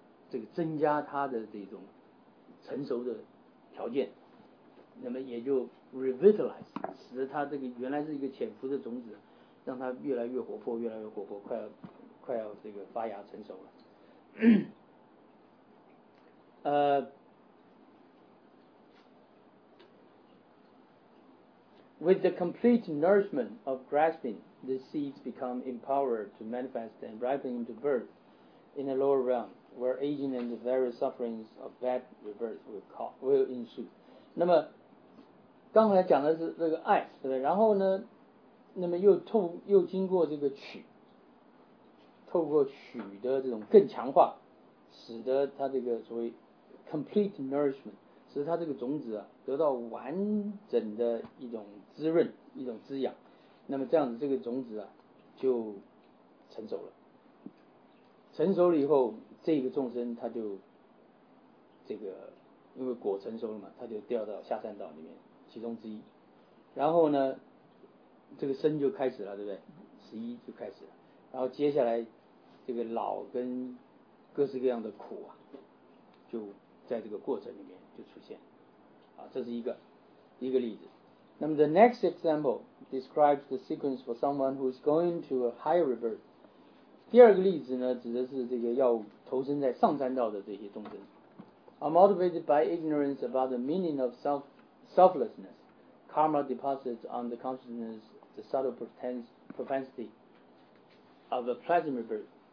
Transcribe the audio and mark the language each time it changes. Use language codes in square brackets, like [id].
[zh] 这个增加他的这种成熟的条件，那么也就 revitalize， 使得他这个原来是一个潜伏的种子，让他越来越活泼，越来越活泼，快要这个发芽成熟了。 [en] With the complete nourishment of grasping, the seeds become empowered to manifest and ripen into birth in a lower realm, where aging and the various sufferings of bad rebirth will ensue. [zh] 那么刚才讲的是这个爱，对不对？然后呢，那么又经过这个取。透过取得这种更强化，使得它这个所谓 complete nourishment， 使得它这个种子啊得到完整的一种滋润、一种滋养，那么这样子这个种子啊就成熟了。成熟了以后，这个众生他就这个因为果成熟了嘛，他就掉到下三道里面其中之一。然后呢，这个生就开始了，对不对？十一就开始了。然后接下来，这个老跟各式各样的苦啊，就在这个过程里面就出现，啊，这是一个例子。 [en] 那么 the next example describes the sequence for someone who is going to a higher rebirth。 [zh] 第二个例子呢，指的是这个要投身在上三道的这些众生。 [en] Are motivated by ignorance about the meaning of selflessness, karma deposits on the consciousness the subtle propensity of a present rebirth.